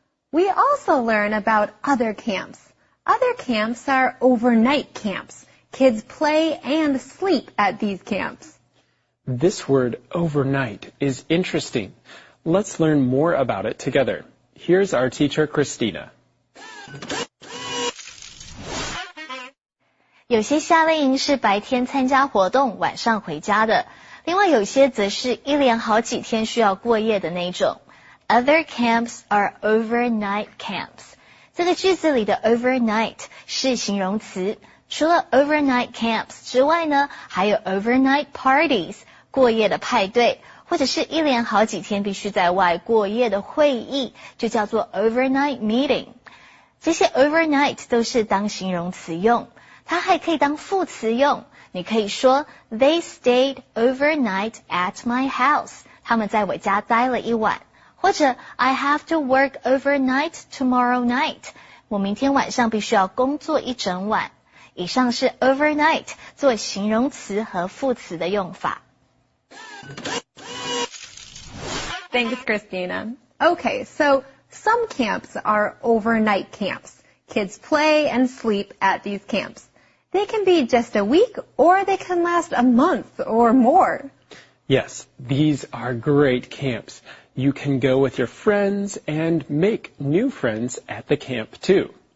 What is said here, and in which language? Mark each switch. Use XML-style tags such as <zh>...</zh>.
<en>We also learn about other camps. Other camps are overnight camps. Kids play and sleep at these camps. This word, overnight, is interesting. Let's learn more about it together. Here's our teacher, Christina.</en> <zh>有些夏令营是白天参加活动，晚上回家的。另外有些则是一连好几天需要过夜的那种。</zh> <en>Other camps are overnight camps.</en> <zh>这个句子里的 overnight 是形容词。除了 overnight camps 之外呢，还有 overnight parties， 过夜的派对，或者是一连好几天必须在外过夜的会议，就叫做 overnight meeting。这些 overnight 都是当形容词用。它还可以当副词用，你可以说</zh> <en>They stayed overnight at my house.</en> <zh>他们在我家待了一晚。或者</zh> <en>I have to work overnight tomorrow night.</en> <zh>我明天晚上必须要工作一整晚。以上是 overnight 做形容词和副词的用法。</zh> <en>Thanks, Christina. Okay, so some camps are overnight camps. Kids play and sleep at these camps. They can be just a week, or they can last a month or more. Yes, these are great camps. You can go with your friends and make new friends at the camp, too.</en>